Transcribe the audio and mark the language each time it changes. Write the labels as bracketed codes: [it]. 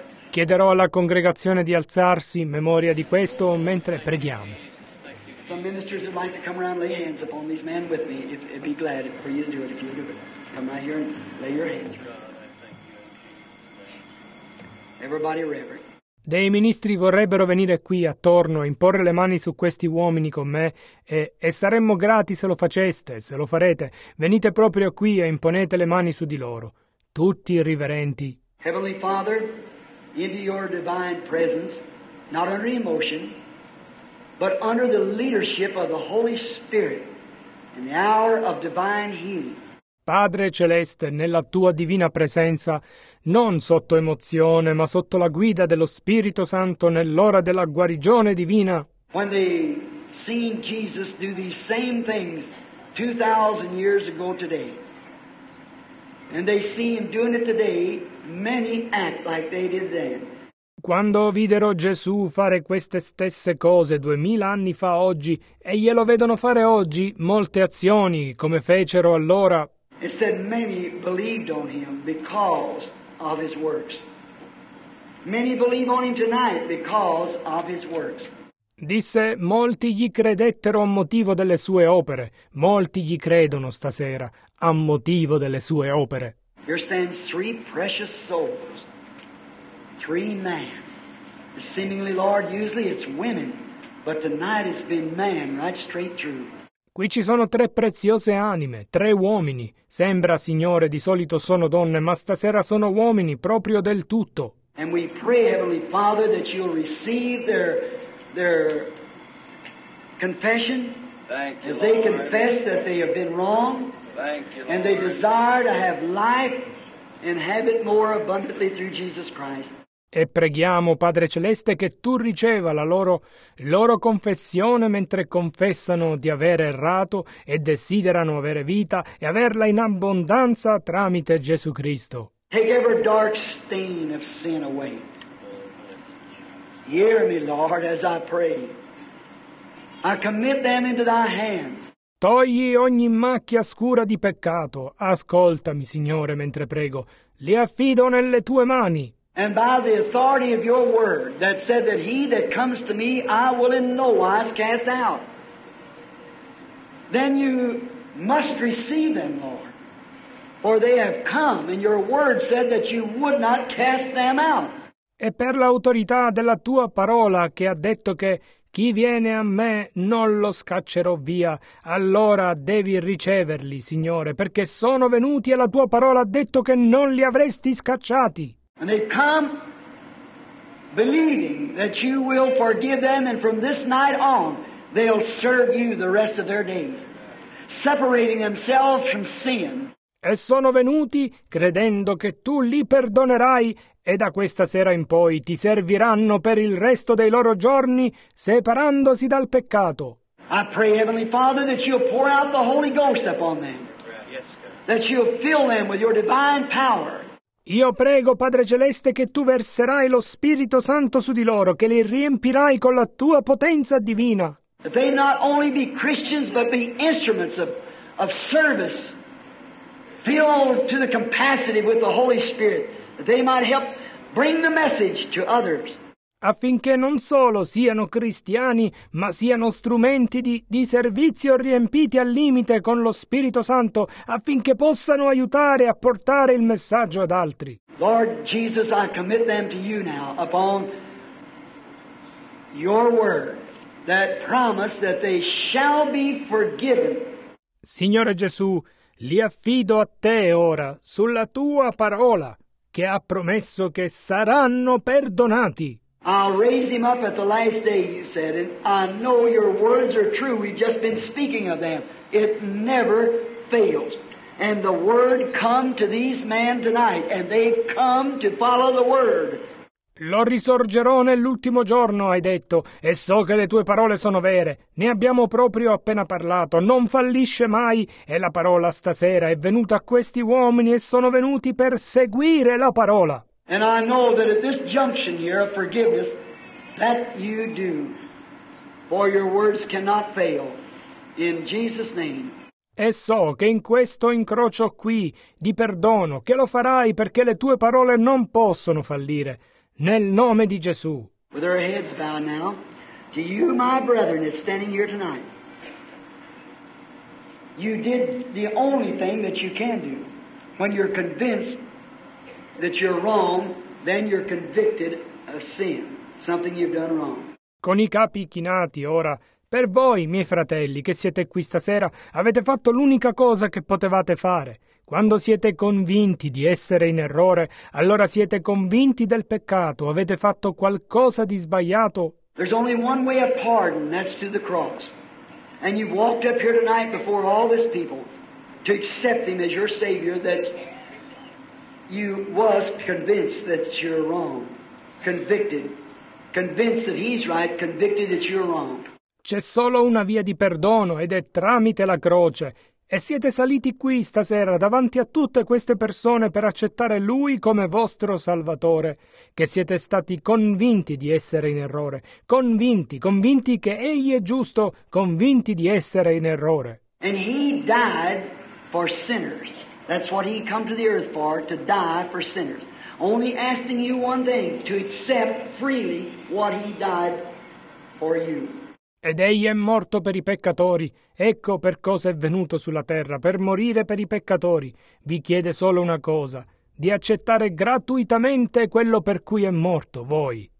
[it] Chiederò alla congregazione di alzarsi in memoria di questo mentre preghiamo. [en] Some ministers would like to come around and lay hands upon these men with me. It'd be glad for you to do it if you do it. Come right here and lay your hands. Everybody reverent. [it] Dei ministri vorrebbero venire qui attorno e imporre le mani su questi uomini con me e saremmo grati se lo faceste, se lo farete. Venite proprio qui e imponete le mani su di loro. Tutti riverenti. [en] Heavenly Father, into your divine presence, not under emotion, but under the leadership of the Holy Spirit in the hour of divine healing. [it] Padre Celeste, nella tua divina presenza, non sotto emozione, ma sotto la guida dello Spirito Santo nell'ora della guarigione divina. [en] When they seen Jesus do these same things 2,000 years ago today, and they see him doing it today, many act like they did then. [it] Quando videro Gesù fare queste stesse cose 2000 anni fa oggi, e glielo vedono fare oggi, molte azioni, come fecero allora. [en] It said many believed on him because of his works. Many believe on him tonight because of his works. [it] Disse, molti gli credettero a motivo delle sue opere. Molti gli credono stasera a motivo delle sue opere. [en] Here stands three precious souls, three men. Seemingly, Lord, usually it's women, but tonight it's been man right straight through. [it] Qui ci sono tre preziose anime, tre uomini. Sembra, Signore, di solito sono donne, ma stasera sono uomini, proprio del tutto. [en] And we pray, Heavenly Father, that you'll receive their confession. Thank you, as they Lord. Confess that they have been wrong. Thank you, Lord. And they desire to have life and have it more abundantly through Jesus Christ. [it] E preghiamo, Padre Celeste, che tu riceva la loro confessione mentre confessano di aver errato e desiderano avere vita e averla in abbondanza tramite Gesù Cristo. [en] Take every dark stain of sin away. Hear me, Lord, as I pray. I commit them into thy hands. [it] Togli ogni macchia scura di peccato. Ascoltami, Signore, mentre prego. Li affido nelle tue mani. [en] And by the authority of your word that said that he that comes to me I will in no wise cast out. Then you must receive them, Lord. For they have come, and your word said that you would not cast them out. [it] è per l'autorità della tua parola che ha detto che chi viene a me non lo scaccerò via. Allora devi riceverli, Signore, perché sono venuti e la tua parola ha detto che non li avresti scacciati. [en] And they come believing that you will forgive them, and from this night on they'll serve you the rest of their days, separating themselves from sin. [it] E sono venuti credendo che tu li perdonerai, e da questa sera in poi ti serviranno per il resto dei loro giorni, separandosi dal peccato. [en] I pray, Heavenly Father, that you'll pour out the Holy Ghost upon them. That you'll fill them with your divine power. [it] Io prego, Padre Celeste, che tu verserai lo Spirito Santo su di loro, che li riempirai con la tua potenza divina. [en] That they not only be Christians, but be instruments of service, filled to the capacity with the Holy Spirit, that they might help bring the message to others. [it] Affinché non solo siano cristiani, ma siano strumenti di servizio riempiti al limite con lo Spirito Santo, affinché possano aiutare a portare il messaggio ad altri. [en] Lord Jesus, I commit them to you now upon your word, that promise that they shall be forgiven. [it] Signore Gesù, li affido a te ora, sulla tua parola, che ha promesso che saranno perdonati. [en] I'll raise him up at the last day, you said, and I know your words are true. We've just been speaking of them. It never fails. And the word come to these men tonight, and they've come to follow the word. [it] Lo risorgerò nell'ultimo giorno, hai detto, e so che le tue parole sono vere. Ne abbiamo proprio appena parlato, non fallisce mai, e la parola stasera è venuta a questi uomini e sono venuti per seguire la parola. [en] And I know that at this junction here of forgiveness, that you do, for your words cannot fail, in Jesus' name. [it] E so che in questo incrocio qui di perdono, che lo farai perché le tue parole non possono fallire, nel nome di Gesù. [en] With our heads bowed now, to you, my brethren, that's standing here tonight, you did the only thing that you can do. When you're convinced that you're wrong, then you're convicted of sin, something you've done wrong. [it] Con i capi chinati ora, per voi, miei fratelli, che siete qui stasera, avete fatto l'unica cosa che potevate fare. Quando siete convinti di essere in errore, allora siete convinti del peccato, avete fatto qualcosa di sbagliato. [en] There's only one way of pardon, that's through the cross. And you've walked up here tonight before all these people to accept him as your Savior, that you was convinced that you're wrong, convicted, convinced that he's right, convicted that you're wrong. [it] C'è solo una via di perdono ed è tramite la croce. E siete saliti qui stasera davanti a tutte queste persone per accettare Lui come vostro Salvatore, che siete stati convinti di essere in errore, convinti, convinti che Egli è giusto, convinti di essere in errore. [en] And he died for sinners. That's what he came to the earth for, to die for sinners. Only asking you one thing, to accept freely what he died for you. [it] Ed egli è morto per i peccatori. Ecco per cosa è venuto sulla terra, per morire per i peccatori. Vi chiede solo una cosa, di accettare gratuitamente quello per cui è morto, voi.